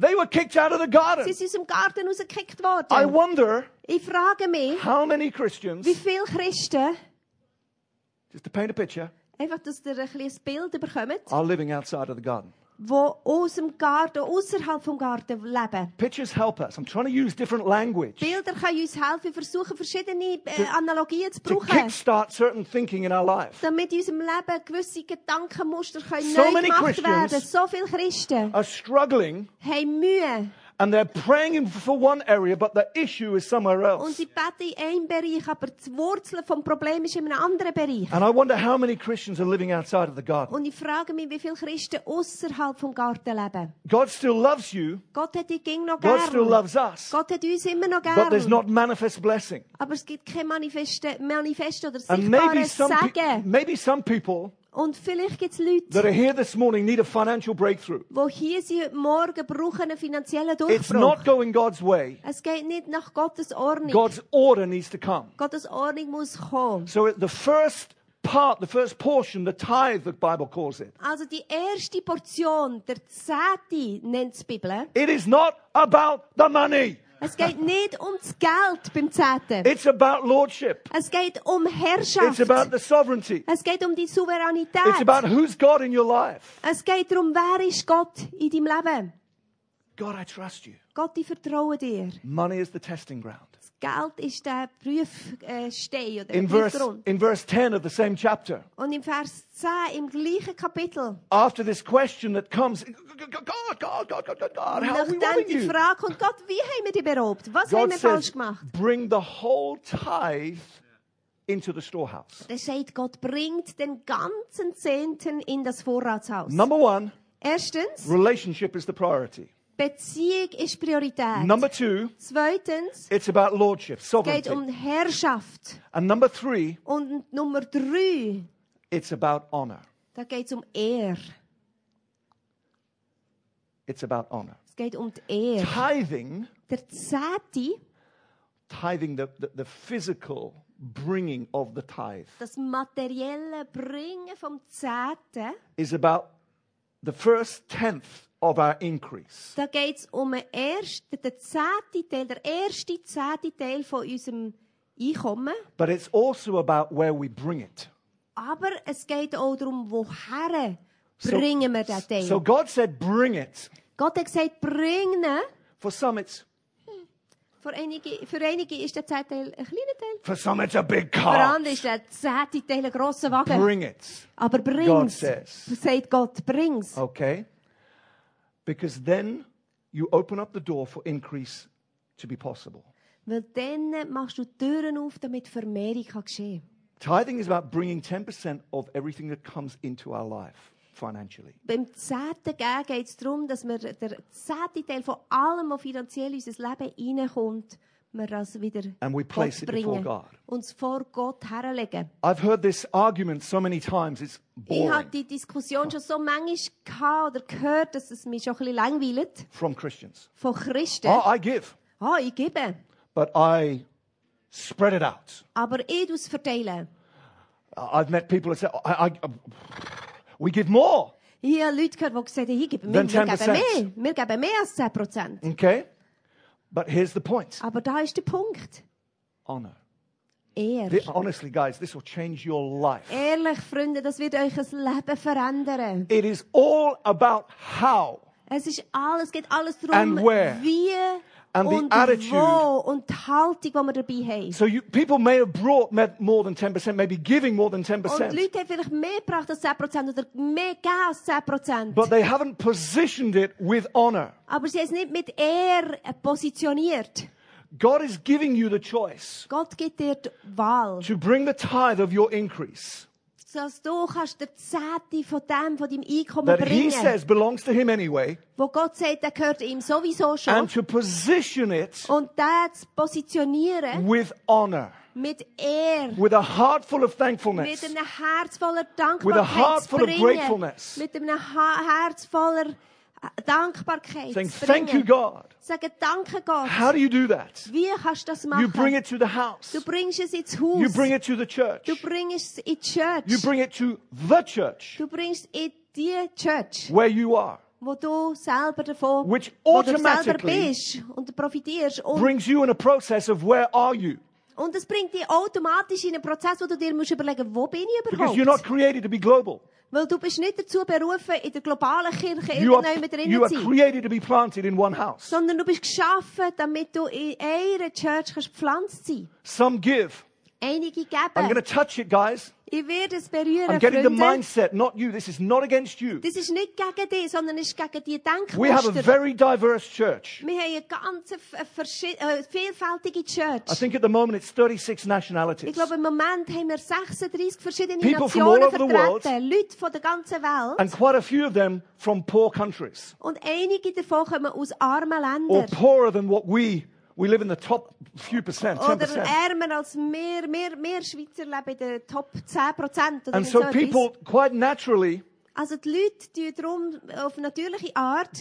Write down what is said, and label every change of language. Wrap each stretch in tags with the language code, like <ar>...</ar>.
<en>They were kicked out of the garden.</en> <de>Sie sind aus dem Garten rausgekickt worden.</de> <en>I wonder.</en> <de>Ich frage mich.</de> <en>How many Christians.</en> <de>Wie viele Christen.</de> <en>Just to paint a picture.</en> <de>Einfach, dass ihr ein kleines Bild bekommt.</de> <en>Are living outside of the garden.</en> <de>Wo aus dem Garten, außerhalb vom Garten leben.</de> <en>Pictures help us. I'm trying to use different language.</en> <de>Bilder können uns helfen, versuchen verschiedene Analogien zu brauchen.</de> <en>To kickstart certain thinking in our life.</en> <de>Damit in unserem Leben gewisse Gedankenmuster können neu gemacht werden. So viele Christen</de> <en>are struggling.</en> <de>Haben Mühe.</de> <en>And they're praying for one area, but the issue is somewhere else.</en> <de>Und sie beten in einem Bereich, aber die Wurzel vom Problem ist in einem anderen Bereich.</de> <en>And I wonder how many Christians are living outside of the garden.</en> <de>Und ich frage mich, wie viele Christen außerhalb vom Garten leben.</de> <en>God still loves you.</en> <de>Gott hat dich noch gern.</de> <en>God still loves us.</en> <de>Gott hat uns immer noch gern.</de> <en>But there's not manifest blessing.</en> <de>Aber es gibt kein manifest oder sichtbares Segen.</de> <en>Maybe some people.</en> <de>Und vielleicht gibt's Leute,</de> <en>that are here this morning need a financial breakthrough.</en> <de>Wo hier sie heute Morgen brauchen einen finanziellen Durchbruch.</de> <en>It's not going God's way.</en> <de>Es geht nicht nach Gottes Ordnung.</de> <en>God's order needs to come.</en> <de>Gottes Ordnung muss kommen.</de> <en>So the first part, the first portion, the tithe, the Bible calls it.</en> <de>Also die erste Portion, der Zehnte, nennt's die Bibel.</de> <en>It is not about the money.</en> <de>Es geht nicht ums Geld beim Zehnten.</de> <en>It's about lordship.</en> <de>Es geht um Herrschaft.</de> <en>It's about the sovereignty.</en> <de>Es geht um die Souveränität.</de> <en>It's about who's God in your life.</en> <de>Es geht darum, wer ist Gott in deinem Leben.</de> <en>God, I trust you.</en> <de>Gott, ich vertraue dir.</de> <en>Money is the testing ground.</en> <de>Das Geld ist der Prüfstein oder</de> <en>in verse, In verse 10 of the same chapter.</en> <de>Und im Vers 10 im gleichen Kapitel.</de> <en>After this question that comes, God, how</en> <de>nachdem</de> <en>are we loving</en> <de>die Frage kommt, Gott, wie haben wir dich beraubt? Was</de> <en>God</en> <de>haben wir falsch gemacht?</de> <en>Says, bring the whole tithe into the storehouse.</en> <de>Der sagt, Gott bringt den ganzen Zehnten in das Vorratshaus.</de> <en>Number one.</en> <de>Erstens.</de> <en>Relationship is the priority.</en> <de>Beziehung ist Priorität.</de> <en>Number two,</en> <de>zweitens,</de> <en>it's about lordship, sovereignty.</en> <de>Geht um Herrschaft.</de> <en>And number three,</en> <de>und Nummer drei,</de> <en>it's about honor.</en> <de>Da geht's um Ehre.</de> <en>It's about honor.</en> <de>Es geht um die Ehre.</de> <en>Tithing,</en> <de>der Zehnte,</de> <en>tithing the physical bringing of the tithe,</en> <de>das materielle Bringen vom Zehnten,</de> <en>is about the first tenth of our increase.</en> <de>Da geht's um der erste zehnte Teil von unserem Einkommen.</de> <en>But it's also about where we bring it.</en> <de>Aber es geht auch darum, woher bringen wir den Teil.</de> <en>So God said, bring it.</en> <de>Gott hat gesagt, bringen.</de> <en>For some it's</en> <de>Für einige ist der zehnte Teil ein kleiner Teil.</de> <en>For some it's a big car.</en> <de>Für andere ist der zehnte Teil ein grosser Wagen.</de> <en>Bring it.</en> <de>Aber bring's.</de> <en>God says.</en> <de>Sagt Gott, bring's.</de> <en>Okay. Because then you open up the door for increase to be possible.</en> <de>Weil dann machst du Türen auf, damit Vermehrung kann geschehen.</de> <en>Tithing is about bringing 10% of everything that comes into our life financially.</en> <de>Beim Zehnten geht es darum, dass wir der zehnte Teil von allem, was finanziell in unser Leben hineinkommt, wir das wieder</de> <en>and we place it before God.</en> <de>Uns vor Gott herlegen.</de> <en>I've heard this argument so many times, it's boring.</en> <de>Ich habe die Diskussion schon so manchmal gehabt oder gehört, dass es mich schon ein bisschen langweilt.</de> <en>From Christians.</en> <de>Von Christen.</de> <en>Oh, I give.</en> <de>Oh, ich gebe.</de> <en>But I spread it out.</en> <de>Aber ich tue es verteilen.</de> <en>I've met people who say, we give more.</en> <de>Ich habe Leute gehört, die gesagt haben, ich gebe mehr. Wir geben mehr als 10%.</de> <en>Okay. But here's the point.</en> <de>Aber da ist der Punkt.</de> <en>Honor.</en> <de>Ehr.</de> <en>Honestly, guys, this will change your life.</en> <de>Ehrlich, Freunde, das wird euch das Leben verändern.</de> <en>It is all about how.</en> <de>Es ist alles, geht alles darum, wie</de> <en>and</en> <de>und</de> <en>the attitude.</en> <de>Wo und die Haltung, die wir dabei haben.</de> <en>So people may have brought more than 10%, maybe giving more than 10%.</en> <de>Und Leute haben vielleicht mehr gebracht als 10% oder mehr gegeben als 10%.</de> <en>But they haven't positioned it with honor.</en> <de>Aber sie haben es nicht mit Ehre positioniert.</de> <en>God is giving you the choice.</en> <de>Gott gibt dir die Wahl.</de> <en>To bring the tithe of your increase.</en> <de>dass du kannst der Zehnte von dem, von deinem Einkommen bringen.</de> <en>That he says belongs to him anyway.</en> <de>Wo Gott sagt, der gehört ihm sowieso schon.</de> <en>And to position it.</en> <de>Und das positionieren.</de> <en>With honor.</en> <de>Mit Ehr.</de> <en>With a heart full of thankfulness.</en> <de>Mit einem Herz voller Dankbarkeit.</de> <en>With a heart full of gratefulness.</en> <de>Mit einem Herz voller Dankbarkeit.</de> <en>Saying thank you, God.</en> <de>Sagen, danke Gott.</de> <en>How do you do that?</en> <de>Wie kannst du das machen?</de> <en>You bring it to the house.</en> <de>Du bringst es ins Haus.</de> <en>You bring it to the church.</en> <de>Du bringst es in die Church.</de> <en>You bring it to the church.</en> <de>Du bringst es in die Church.</de> <en>Where you are.</en> <de>Wo du selber davon,</de> <en>which automatically</en> <de>wo du selber bist und profitierst und</de> <en>brings you in a process of where are you?</en> <de>Und es bringt dich automatisch in einen Prozess, wo du dir musst überlegen, wo bin ich überhaupt?</de> <en>Because you're not created to be global.</en> <de>Weil du bist nicht dazu berufen, in der globalen Kirche irgendjemand drin zu sein. Sondern du bist geschaffen, damit du in einer Church gepflanzt sein kannst.</de> <en>Some give.</en> <de>Einige geben.</de> <en>I'm gonna touch it, guys.</en> <de>Ich werde es berühren,</de> <en>I'm getting</en> <de>Freunde.</de> <en>The mindset, not you. This is not against you.</en> <de>Das ist nicht gegen dich, sondern ist gegen die Denkmuster.</de> <en>We have a very diverse church.</en> <de>Wir haben eine ganz vielfältige Church.</de> <en>I think at the moment it's 36 nationalities.</en> <de>Ich glaube, im Moment haben wir 36 verschiedene</de> <en>People</en> <de>Nationen</de> <en>from all over the world, vertreten.</en> <de>Leute von der ganzen Welt.</de> <en>And quite a few of them from poor countries.</en> <de>Und einige davon kommen aus armen Ländern.</de> <en>Or poorer than what we live in the top few percent, 10%.</en> <de>Oder ärmer als mehr Schweizer leben in den Top 10%.</de> <en>And so people, quite naturally,</en> <de>also die Leute tun darum auf natürliche Art,</de>